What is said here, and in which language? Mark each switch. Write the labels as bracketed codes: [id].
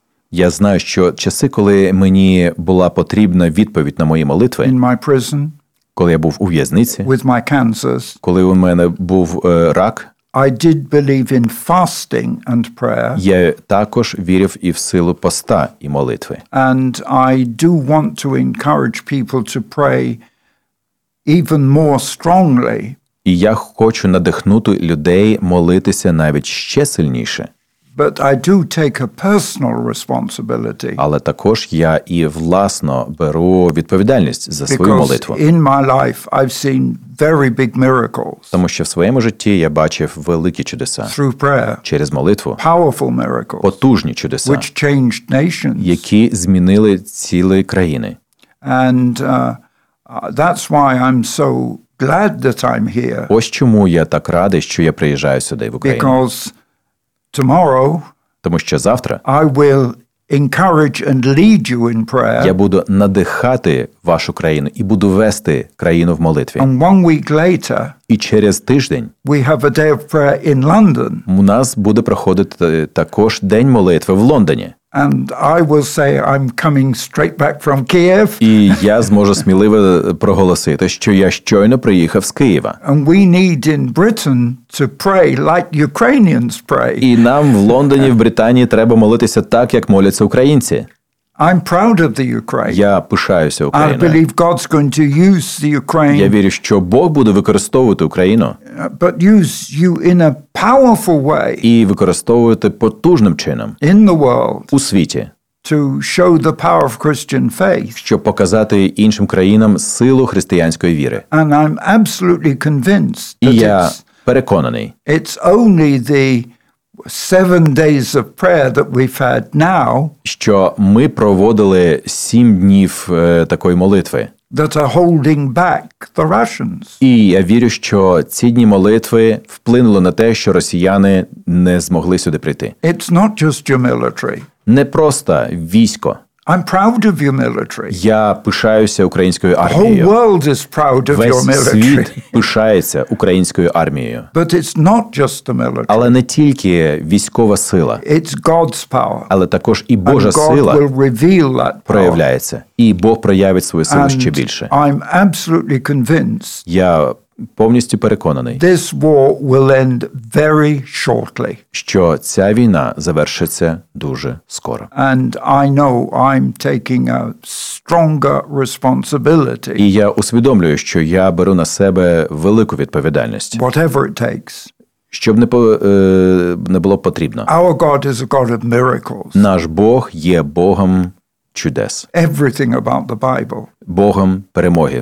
[uk] Я знаю, що часи, коли мені була потрібна відповідь на мої молитви, [en] in my prison, [uk] коли я був у в'язниці, [en] with my cancers, [uk] коли у мене був рак, [en] I did believe in fasting and prayer, [uk] я також вірив і в силу поста і молитви. [en] And I do want to encourage people to pray even more strongly. [uk] І я хочу надихнути людей молитися навіть ще сильніше. [en] But I do take a personal responsibility. [uk] Але також я і власно беру відповідальність за свою молитву. [en] Because in my life I've seen very big miracles. [uk] Тому що в своєму житті я бачив великі чудеса. [en] Through prayer. [uk] Через молитву. [en] Powerful miracles. [uk] Потужні чудеса. [en] Which changed nations. [uk] Які змінили цілі країни. [en] And that's why I'm so glad that I'm here. [uk] Ось чому я так радий, що я приїжджаю сюди в Україну. [en] Because tomorrow, [uk] тому що завтра, [en] I will encourage and lead you in prayer. [uk] Я буду надихати вашу країну і буду вести країну в молитві. [en] And one week later, [uk] і через тиждень, [en] we have a day of prayer in London. [uk] У нас буде проходити також день молитви в Лондоні. [en] And I will say I'm coming straight back from Kiev. [uk] І я зможу сміливо проголосити, що я щойно приїхав з Києва. [en] And we need in Britain to pray like Ukrainians pray. [uk] І нам в Лондоні, в Британії треба молитися так, як моляться українці. [en] I'm proud of the Ukraine. [uk] Я пишаюся Україною. [en] I believe God's going to use the Ukraine. [uk] Я вірю, що Бог буде використовувати Україну. [en] But use you in a powerful way. [uk] І використовувати потужним чином. [en] In the world. [uk] У світі. [en] To show the power of Christian faith. [uk] Щоб показати іншим країнам силу християнської віри. [en] And I'm absolutely convinced that [uk] і я переконаний. [en] It's only the 7 days of prayer that we've had now, [uk] що ми проводили 7 днів такої молитви, [en] that are holding back the Russians. [uk] І я вірю, що ці дні молитви вплинули на те, що росіяни не змогли сюди прийти. [en] It's not just your military. [uk] Не просто військо. [en] I'm proud of your military. [uk] Я пишаюся українською армією. [en] The whole world is proud of your military. [uk] Весь світ пишається українською армією. [en] But it's not just the military. [uk] Але не тільки військова сила. [en] It's God's power. [uk] Але також і Божа сила проявляється. І Бог проявить свою силу ще більше. [en] I'm absolutely convinced. [uk] Я повністю переконаний. [en] This war will end very shortly. [uk] Що ця війна завершиться дуже скоро. [en] And I know I'm taking a stronger responsibility. [uk] І я усвідомлюю, що я беру на себе велику відповідальність. [en] Whatever it takes. [uk] Щоб не, не було потрібно. [en] Our God is a God of miracles. [uk] Наш Бог є Богом чудес. [en] Everything about the Bible. [uk] Богом перемоги.